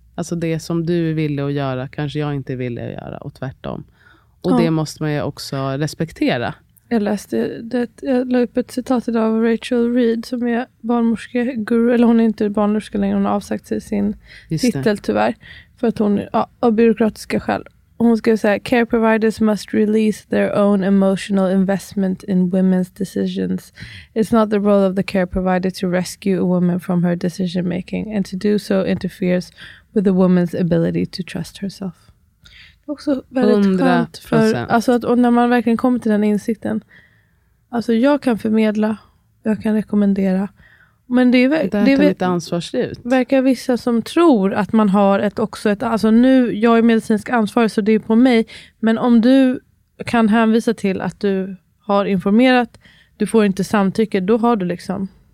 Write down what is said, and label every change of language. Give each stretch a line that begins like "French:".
Swedish: Alltså det som du är villig att göra kanske jag inte är villig att göra, och tvärtom. Och det måste man ju också respektera. Jag läste jag la upp ett citat idag av Rachel Reed som är barnmorske guru, eller hon är inte barnmorska längre, hon har avsagt sig sin titel tyvärr för att hon av byråkratiska skäl. Hon ska säga
English: care providers must release their own emotional investment in women's decisions. It's not the role of the care provider to rescue a woman from her decision making, and to do so interferes with the woman's ability to trust herself.
Swedish: Också väldigt 100%. Skönt för, alltså att, och när man verkligen kommer till den insikten, alltså jag kan förmedla, jag kan rekommendera, men det är lite ansvarslut. Verkar vissa som tror att man har ett, alltså nu, jag är medicinsk ansvarig så det är på mig, men om du kan hänvisa till att du har informerat, du får inte samtycke, då har du liksom.